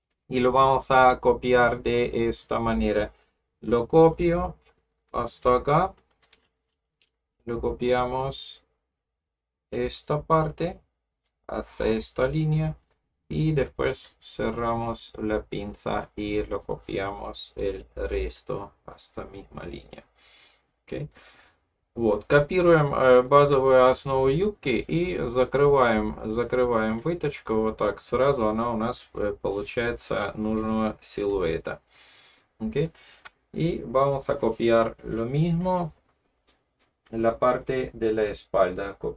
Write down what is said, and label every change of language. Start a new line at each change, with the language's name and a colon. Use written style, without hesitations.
Spanish: Y lo vamos a copiar de esta manera. Lo copio hasta acá. Lo copiamos esta parte hasta esta línea. Y después cerramos la pinza y lo copiamos el resto a esta misma línea. Okay.
Russian: Вот, копируем базовую основу юбки и закрываем выточку. Вот так сразу она у нас получается нужного силуэта. Okay. И
Spanish: vamos a copiar lo mismo la parte de la espalda.